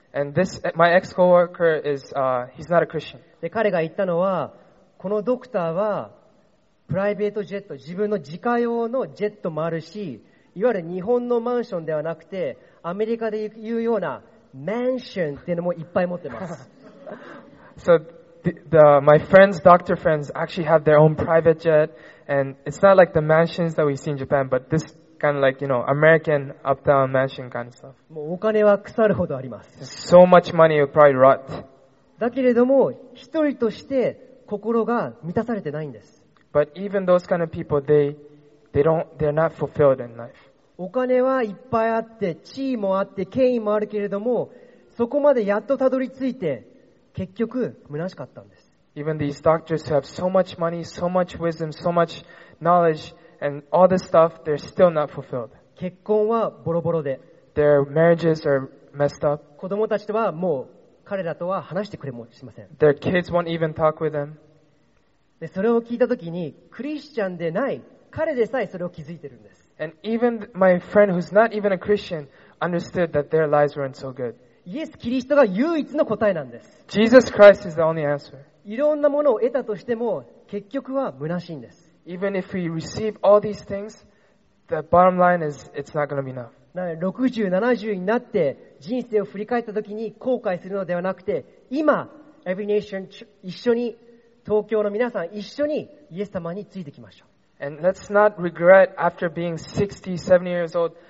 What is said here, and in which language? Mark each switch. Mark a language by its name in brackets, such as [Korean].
[English] And this my ex-coworker is he's not a Christian. [Japanese] で彼が言ったのは、このドクターはプライベートジェット、自分の自家用のジェットもあるし、いわゆる日本のマンションではなくて、アメリカで言うようなマンションっていうのもいっぱい持ってます。 [English] So my friends, doctor friends, actually have their own private jet, and it's not like the mansions that we see in Japan, but this kind of like you know American uptown mansion kind of stuff. [Japanese] もうお金は腐るほどあります。 [English] So much money will probably rot. [Japanese] だけれども一人として心が満たされてないんです。 [English] But even those kind of people, they're not fulfilled in life. [Japanese] お金はいっぱいあって地位もあって権威もあるけれども、そこまでやっとたどり着いて。結局虚しかったんです。 [English] Even these doctors who have so much money, so much wisdom, so much knowledge, and all this stuff, they're still not fulfilled. [Japanese] 結婚はボロボロで。 [English] Their marriages are messed up. [Japanese] 子供たちとはもう彼らとは話してくれもしません。 [English] Their kids won't even talk with them. [Japanese] でそれを聞いたときにクリスチャンでない彼でさえそれを気づいてるんです。 [English] And even my friend who's not even a Christian understood that their lives weren't so good. [Japanese] イエス・キリストが唯一の答えなんです。 [English] Jesus Christ is the only answer. [Japanese] いろんなものを得たとしても、結局は虚しいんです。 [English] Even if we receive all these things, the bottom line is it's not going to be enough. [Japanese] なので、60、70になって人生を振り返ったときに後悔するのではなくて、今、Every Nation 一緒に、東京の皆さん一緒にイエス様についていきましょう。 [English] And let's not regret after being 60, 70 years old.